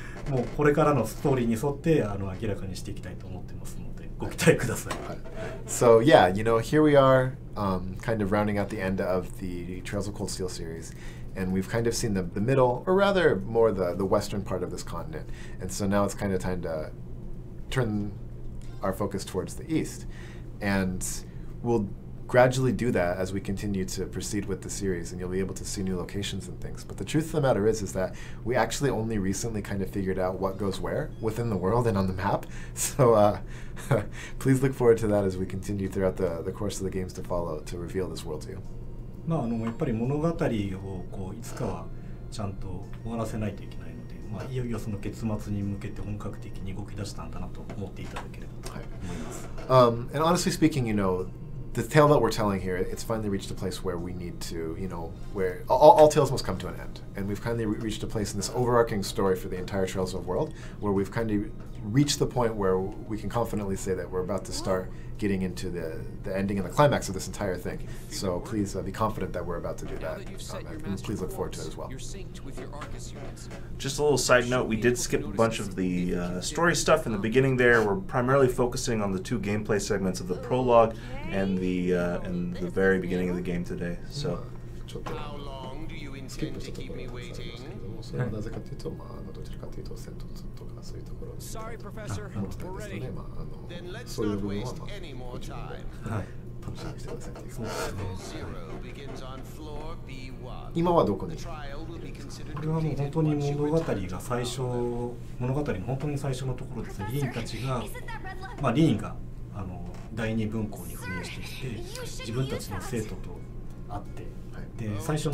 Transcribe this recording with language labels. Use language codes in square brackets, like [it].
[ja] もうこれからのストーリーに沿って明らかにしていきたいと思ってますので、ご期待ください。 [en] So yeah, you know, here we are kind of rounding out the end of the Trails of Cold Steel series, and we've kind of seen the middle, or rather more the western part of this continent, and so now it's kind of time to turn our focus towards the east, and we'll gradually do that as we continue to proceed with the series, and you'll be able to see new locations and things. But the truth of the matter is that we actually only recently kind of figured out what goes where within the world and on the map. So please look forward to that as we continue throughout the course of the games to follow to reveal this world to you. [ja] まあ、やっぱり物語をこういつかはちゃんと終わらせないといけないので、まあ、いよいよその結末に向けて本格的に動き出したんだなと思っていただければと思います。はい。 [en] And honestly speaking, you know,the tale that we're telling here, it's finally reached a place where we need to, you know, where all tales must come to an end. And we've kind of reached a place in this overarching story for the entire Trails of World, where we've kind of reached the point where we can confidently say that we're about to start getting into the ending and the climax of this entire thing. So please be confident that we're about to do that. Please look forward to it as well. Just a little side note, we did skip a bunch of the story stuff in the beginning there. We're primarily focusing on the two gameplay segments of the prologue and the very beginning of the game today. So, how long do you intend to keep me waiting? [ja] どちらかというと戦闘とかそういうところに持ってたんですね。まあそういう部分はまあ、はい、楽しみにしてください。そうですね、はい、今はどこに、これはもう本当に物語が最初、物語の本当に最初のところですね。リーンたちが、まあ、リーンが第二分校に赴任してきて自分たちの生徒と会って、